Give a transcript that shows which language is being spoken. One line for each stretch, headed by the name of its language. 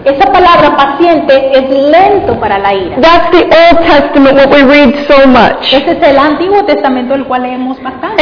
Spanish: Esa palabra paciente es lento para la ira.
English: That's the Old Testament, what we read so much.
Spanish: Ese es el Antiguo Testamento el cual leemos bastante.